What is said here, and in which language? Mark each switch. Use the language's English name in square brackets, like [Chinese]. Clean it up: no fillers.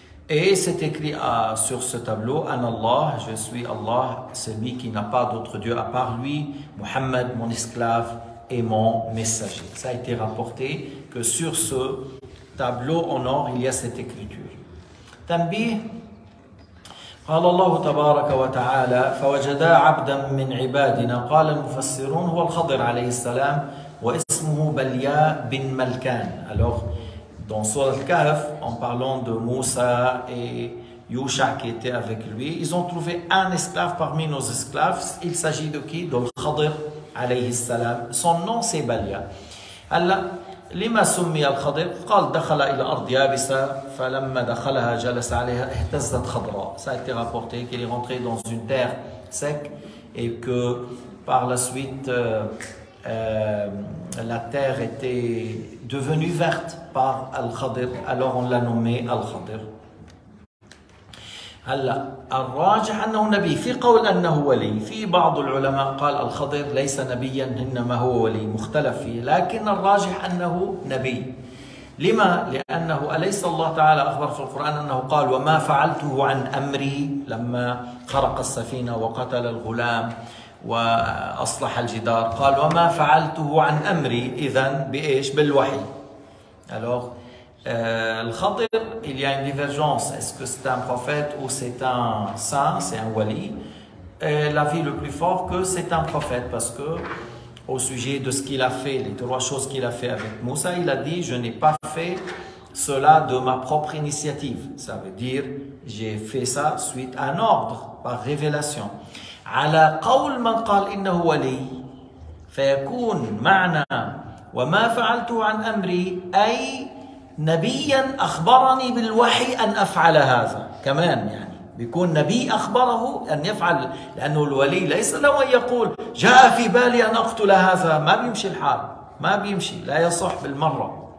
[French] Et c'est écrit sur ce tableau, An Allah, je suis Allah, celui qui n'a pas d'autre Dieu à part lui, Muhammad, mon esclave et mon messager. Ça a été rapporté que sur ce tableau en or, il y a cette écriture. [Arabic] Tambih, قال الله تبارك وتعالى فوجدا عبدا من عبادنا قال المفسرون هو الخضر عليه السلام واسمه بلياء بن ملكان. [French] Alors dans sourate al-Kahf, en parlant de Moussa et Yusha qui était avec lui, ils ont trouvé un esclave parmi nos esclaves. Il s'agit de qui? De Khadir [Arabic] عليه السلام. [French] Son nom c'est بلياء. [Arabic] لما سمي الخضر قال دخل إلى أرض يابسة فلما دخلها جلس عليها اهتزت خضراء. [French] Ça a été rapporté qu'il est rentré dans une terre sec et que par la suite la terre était devenue verte par الخضر. Alors on l'a nommé الخضر. [Arabic] هلا الراجح أنه نبي في قول أنه ولي في بعض العلماء قال الخضر ليس نبيا إنما هو ولي مختلف فيه لكن الراجح أنه نبي لما لأنه أليس الله تعالى أخبر في القرآن أنه قال وما فعلته عن أمري لما خرق السفينة وقتل الغلام وأصلح الجدار قال وما فعلته عن أمري إذن بإيش بالوحي [French] ألوغ الخضر il y a une divergence, est-ce que c'est un prophète ou c'est un saint, c'est un wali. L'avis le plus fort que c'est un prophète parce que au sujet de ce qu'il a fait, les trois choses qu'il a fait avec Moussa, il a dit je n'ai pas fait cela de ma propre initiative, ça veut dire j'ai fait ça suite à un ordre par révélation. [Arabic] على قول من قال إنه ولي فيكون معنى وما فعلته عن أمري أي نبيا أخبرني بالوحي أن أفعل هذا كمان يعني بيكون نبي أخبره أن يفعل لأنه الولي ليس له أن يقول جاء في بالي أن أقتل هذا ما بيمشي الحال ما بيمشي لا يصح بالمرة.